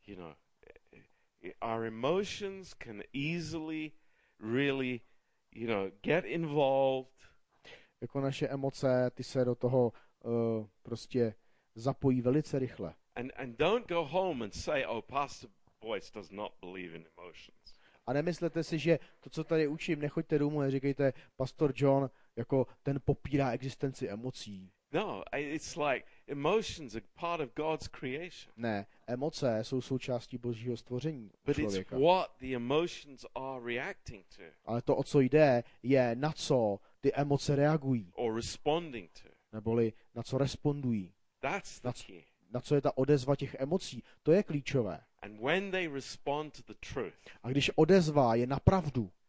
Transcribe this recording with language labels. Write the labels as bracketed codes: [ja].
[en] You know, our emotions can easily really, you know, get involved. [cs] Jako naše emoce, ty se do toho prostě zapojí velice rychle. [en] And don't go home and say, oh, Pastor Boyce does not believe in emotions. [cs] A nemyslete si, že to, co tady učím, nechoďte domů a říkejte, Pastor John, jako ten popírá existenci emocí. [en] No, it's like emotions are part of God's creation. [cs] Ne, emoce jsou součástí Božího stvoření člověka. [en] But it's what the emotions are reacting to. [cs] Ale to, o co jde, je na co ty emoce reagují. [en] Or responding to. [cs] Neboli na co respondují. [en] That's the key. [cs] Na co je ta odezva těch emocí, to je klíčové. [en] And when they respond to the truth. [cs] A když odezva je na pravdu.